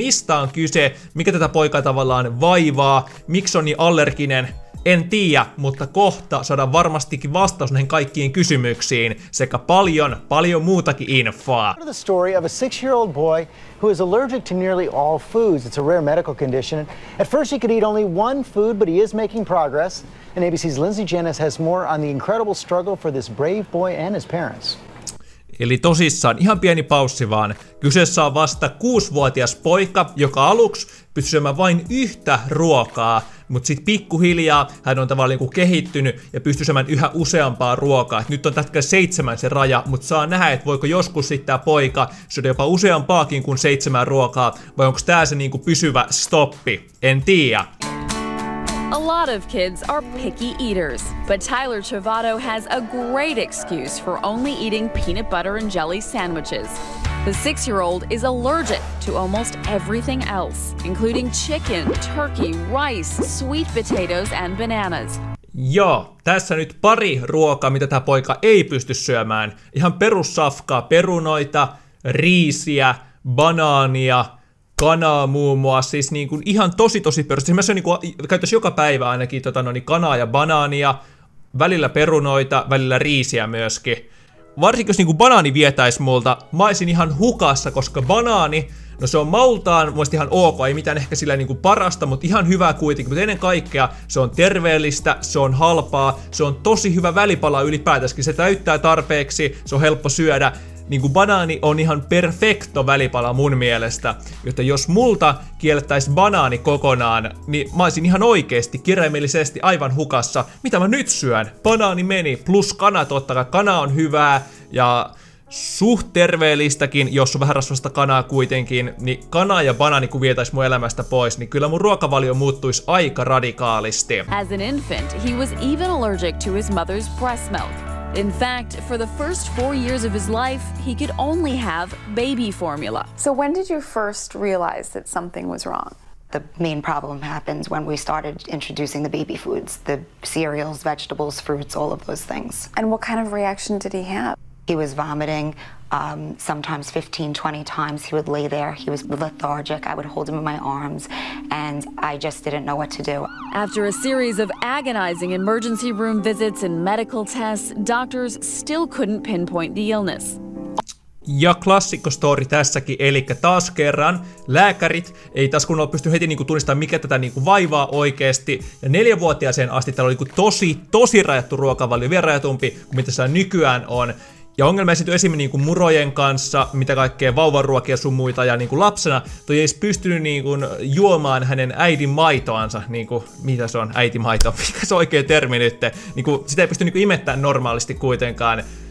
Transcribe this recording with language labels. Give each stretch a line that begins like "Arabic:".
Finnish: Mistä on kyse, mikä tätä poikaa tavallaan vaivaa, miksi on niin allerginen? En tiedä, mutta kohta saadaan varmastikin vastaus näihin kaikkiin kysymyksiin sekä paljon, paljon muutakin infoa.
English: The story of a 6-year-old boy who is allergic to nearly all foods. It's a rare medical condition. At first he could eat only one food, but he is making progress. And ABC's Lindsay Janice has more on the incredible struggle for this brave boy and his parents.
Finnish: Eli tosissaan, ihan pieni paussi vaan. Kyseessä on vasta 6-vuotias poika, joka aluksi pystyy syömään vain yhtä ruokaa. Mut sit pikkuhiljaa hän on tavallaan niinku kehittynyt ja pystyy syömään yhä useampaa ruokaa. Et nyt on tätkään 7 se raja, mut saa nähdä, että voiko joskus sit tää poika syödä jopa useampaakin kuin 7 ruokaa. Vai onko tää se niinku pysyvä stoppi? En tiedä.
English: A lot of kids are picky eaters, but Tyler Trovato has a great excuse for only eating peanut butter and jelly sandwiches. The 6-year-old is allergic to almost everything else, including chicken, turkey, rice, sweet potatoes and bananas.
Finnish: Joo, tässä nyt pari ruokaa, mitä tämä poika ei pysty syömään. Ihan perussafkaa, perunoita, riisiä, banaania, kanaa muun muassa, siis niin kuin ihan tosi perusti. Siis mä syön niin kuin, käytäisi joka päivä ainakin kanaa ja banaania, välillä perunoita, välillä riisiä myöskin. Varsinkin jos niin kuin banaani vietäisi multa, mä olisin ihan hukassa, koska banaani, no se on maultaan mun ihan ok, ei mitään ehkä sillä niin kuin parasta, mutta ihan hyvä kuitenkin. Mutta ennen kaikkea se on terveellistä, se on halpaa, se on tosi hyvä välipala ylipäätänsäkin, se täyttää tarpeeksi, se on helppo syödä. Niin kuin banaani on ihan perfekto välipala mun mielestä, jotta jos multa kiellettäisiin banaani kokonaan, niin mä olisin ihan oikeesti, kirjaimellisesti aivan hukassa. Mitä mä nyt syön? Banaani meni, plus kana totta kai. Kana on hyvää ja suht terveellistäkin, jos on vähän rasvasta kanaa kuitenkin, niin kana ja banaani kun vietäis mun elämästä pois, niin kyllä mun ruokavalio muuttuisi aika radikaalisti.
English: As an infant, he was even allergic to his mother's breast milk. In fact, for the first 4 years of his life, he could only have baby formula. So when did you first realize that something was wrong? The main problem happens when we started introducing the baby foods, the cereals, vegetables, fruits, all of those things. And what kind of reaction did he have? He was vomiting, sometimes 15-20 times he would lay there. He was lethargic. I would hold him in my arms and I just didn't know what to do. After a series of agonizing emergency room visits and medical tests, doctors still couldn't pinpoint the illness.
Finnish: Ja klassikko story tässäkin, eli taas kerran lääkärit ei taas kunnolla pysty heti niinku tunnistamaan, mikä tätä niinku vaivaa oikeesti. Ja 4-vuotiaaseen asti täällä oli niinku tosi rajattu ruokavalio, vielä rajatumpi kuin mitä se nykyään on. Ja ongelma esiintyi esimerkiksi niinku murojen kanssa, mitä kaikkea vauvanruokia ja sun muita, ja niinku lapsena toi ei pystynyt niinku juomaan hänen äidin maitoansa, niinku, mitä se on äiti maito, mikä se oikea termi nyt, niinku, sitä ei pysty niinku imettämään normaalisti kuitenkaan.